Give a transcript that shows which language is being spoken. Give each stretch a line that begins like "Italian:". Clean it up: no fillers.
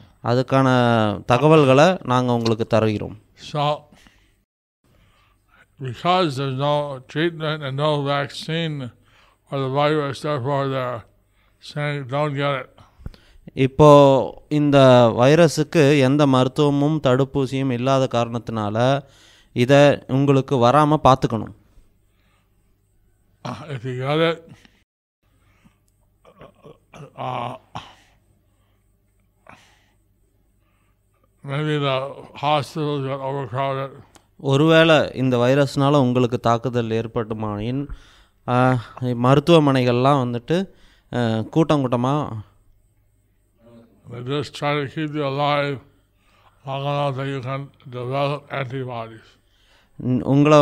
Tamil: அதுக்கான தகவல்களை நாங்கள் உங்களுக்கு தருகிறோம்.
English: Because there's no treatment and no vaccine for the virus, therefore they're saying don't get it.
Tamil: இப்போ இந்த வைரஸுக்கு எந்த மருத்துவமும் தடுப்பூசியும் இல்லாத காரணத்தினால இதை உங்களுக்கு வராமல் பார்த்துக்கணும்.
English: If you get it, maybe the hospitals are overcrowded.
Tamil: ஒருவேளை இந்த வைரஸ்னால் உங்களுக்கு தாக்குதல் ஏற்பட்டுமானின் மருத்துவமனைகள்லாம் வந்துட்டு கூட்டம் கூட்டமாக உங்களை